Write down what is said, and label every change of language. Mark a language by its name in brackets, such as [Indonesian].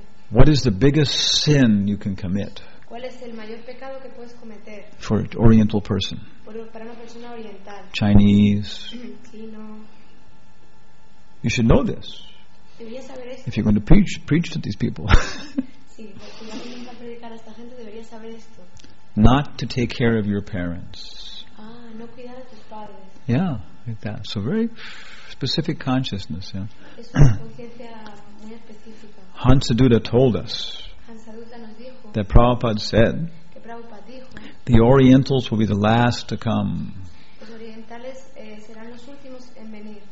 [English] What is the biggest sin you can commit? [Spanish] ¿Cuál es el mayor pecado que puedes cometer? [English] For an oriental person. [Spanish] Para una persona oriental. [English] Chinese. [Spanish] Chino. [English] You should know this. [Spanish] Debería saber esto. [English] If you're going to preach to these people. [Spanish] Sí, porque si alguien va a predicar a esta gente, debería saber esto. [English] Not to take care of your parents. [Spanish] Ah, no cuidar a tus padres. [English] Yeah, like that. So very specific consciousness, yeah. [Spanish] Es una conciencia muy específica. [English] Hansaduda told us. That Prabhupada said, the Orientals will be the last to come, [Spanish] serán los últimos en venir.